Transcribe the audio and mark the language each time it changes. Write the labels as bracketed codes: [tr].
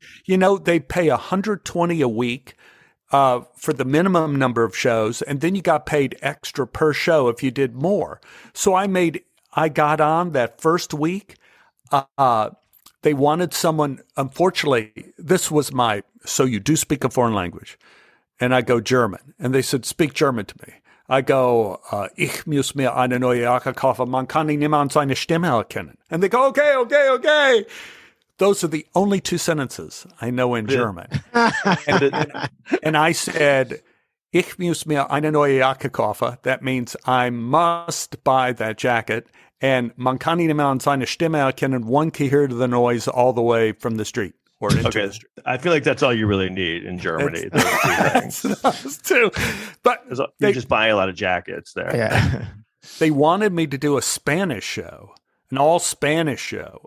[en] You know, they pay $120 a week for the minimum number of shows, and then you got paid extra per show if you did more. So I got on that first week. They wanted someone, unfortunately, this was my, so you do speak a foreign language. And I go, German. And they said, speak German to me. I go, [de] ich muss mir eine neue Jacke kaufen, man kann nicht mehr an seine Stimme erkennen. [en] And they go, okay. Those are the only two sentences I know in German. And I said, [de] ich muss mir eine neue Jacke kaufen. [en] That means I must buy that jacket. [de] And man kann nicht mehr an seine Stimme erkennen. [en] One can hear the noise all the way from the street. Or into the street. I feel like that's all you really need in Germany. It's, those two. But you're just buying a lot of jackets there. Yeah. They wanted me to do a Spanish show. An all Spanish show.